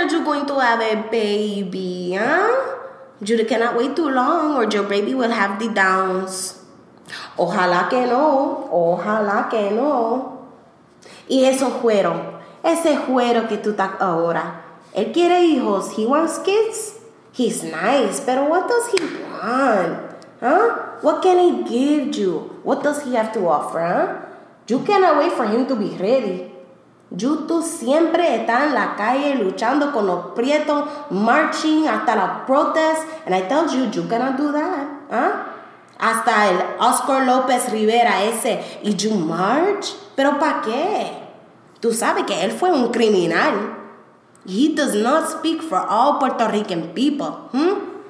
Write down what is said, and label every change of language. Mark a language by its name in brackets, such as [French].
[English] Going to have a baby, huh? Judah cannot wait too long, or your baby will have the downs. [Spanish] Ojalá que no, ojalá que no. Y eso juero, ese juero que tú estás ahora. Él quiere hijos, [English] he wants kids. He's nice, but what does he want? Huh? What can he give you? What does he have to offer, huh? You cannot wait for him to be ready. [Spanish] Yutu siempre está en la calle luchando con los prietos, marching hasta la protest. [English] And I tell you, you cannot do that, huh? [Spanish] Hasta el Oscar López Rivera ese, y [English] you march? [Spanish] Pero pa' qué? Tú sabes que él fue un criminal. [English] He does not speak for all Puerto Rican people, hmm?